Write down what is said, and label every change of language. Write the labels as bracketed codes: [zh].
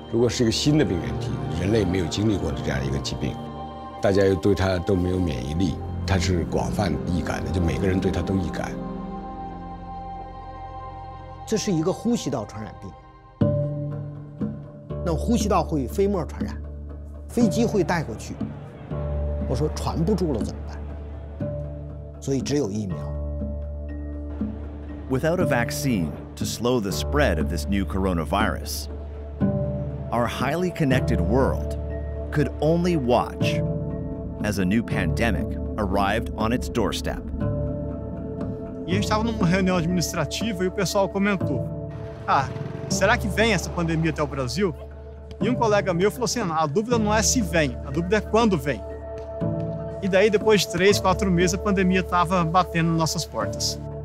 [zh] 如果是一个新的病原体，人类没有经历过的这样一个疾病，大家又对它都没有免疫力，它是广泛易感的，就每个人对它都易感。这是一个呼吸道传染病，那呼吸道会飞沫传染，飞机会带过去，我说传不住了怎么办？所以只有疫苗。 [en] Without a vaccine to slow the spread of this new coronavirus, our highly connected world could only watch as a new pandemic arrived on its doorstep. [pt] E a gente estava numa reunião administrativa e o pessoal comentou: Ah, será que vem essa pandemia até o Brasil? E um colega meu falou assim: A dúvida não é se vem, a dúvida é quando vem. E daí, depois de 3-4 meses, a pandemia estava batendo nas nossas portas.